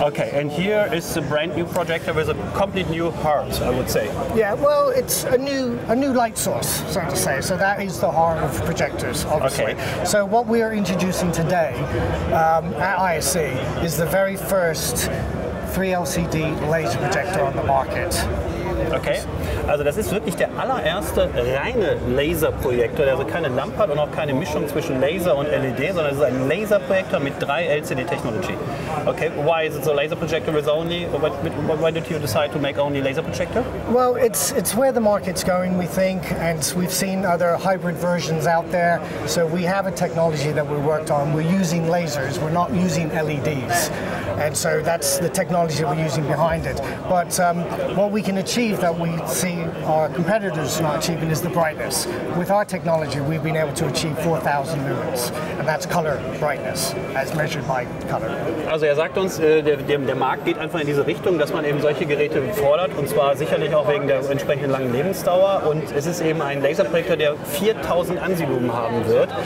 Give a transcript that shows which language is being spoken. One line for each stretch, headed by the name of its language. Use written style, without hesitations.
English: Okay, and here is a brand new projector with a complete new heart, I would say. Yeah, well, it's a new light source, so to say. So that is the heart of projectors, obviously. Okay. So what we are introducing today at ISE is the very first 3LCD laser projector on the market.
German: Okay, also das ist wirklich der allererste reine Laserprojektor, der also keine Lampe hat und auch keine Mischung zwischen Laser und LED, sondern es ist ein Laserprojektor mit 3LCD Technology.
English: Okay, why is it so laser projector with only, why did you decide to make only laser projector? Well, it's where the market's going, we think, and we've seen other hybrid versions out there. So we have a technology that we worked on. We're using lasers, we're not using LEDs. And so that's the technology that we're using behind it. But what we can achieve that we see our competitors not achieving is the brightness. With our technology, we've been able to achieve 4,000 lumens. And that's color brightness, as measured by color.
German: Also sagt uns, der Markt geht einfach in diese Richtung, dass man eben solche Geräte fordert. Und zwar sicherlich auch wegen der entsprechenden langen Lebensdauer. Und es ist eben ein Laserprojektor, der 4,000 Ansi-Lumen haben wird.